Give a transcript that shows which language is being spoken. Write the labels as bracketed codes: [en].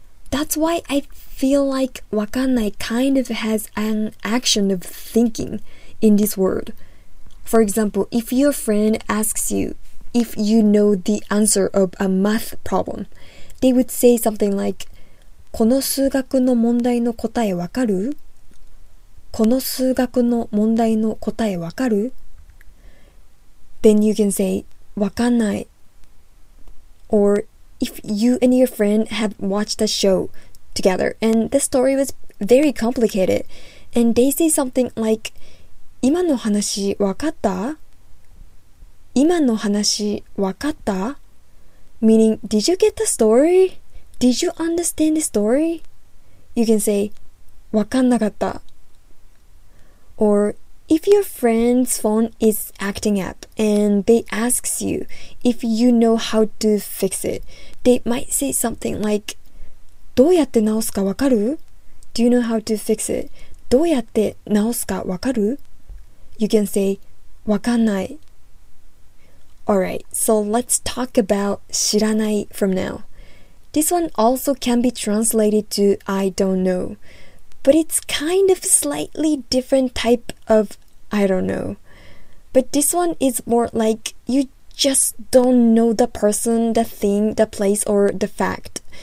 [en] That's why I feel like わかんない kind of has an action of thinking in this word. For example, if your friend asks you if you know the answer of a math problem, they would say something like [ja] この数学の問題の答えわかる? この数学の問題の答えわかる? [en] Then you can say, わかんない。 Or if you and your friend have watched a show together and the story was very complicated and they say something like, [ja] 今の話わかった? 今の話わかった? [en] Meaning, did you get the story? Did you understand the story? You can say, [ja] わかんなかった。 [en] Or, if your friend's phone is acting up and they asks you if you know how to fix it, they might say something like, [ja] どうやって直すかわかる? [en] Do you know how to fix it? [ja] どうやって直すかわかる? [en] You can say, わかんない。 Alright, so let's talk about 知らない from now. This one also can be translated to I don't know, but it's kind of slightly different type of I don't know. But this one is more like you just don't know the person, the thing, the place, or the fact.